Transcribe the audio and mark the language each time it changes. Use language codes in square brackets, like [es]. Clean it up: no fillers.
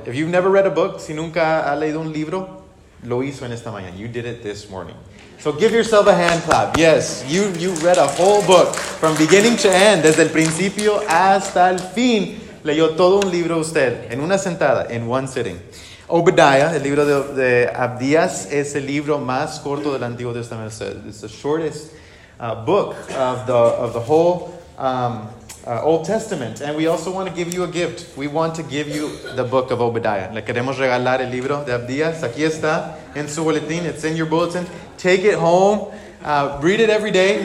[en] If you've never read a book, [es] si nunca ha leído un libro, lo hizo en esta mañana. [en] You did it this morning. So give yourself a hand clap. Yes, you read a whole book from beginning to end. [es] Desde el principio hasta el fin. Leyó todo un libro usted en una sentada, [en] in one sitting. [es] Obadiah, el libro de Abdías, es el libro más corto del Antiguo Testamento. [en] It's the shortest book of the whole Old Testament. And we also want to give you a gift. We want to give you the book of Obadiah. [es] Le queremos regalar el libro de Abdías. Aquí está, en su boletín. [en] It's in your bulletin. Take it home. Read it every day.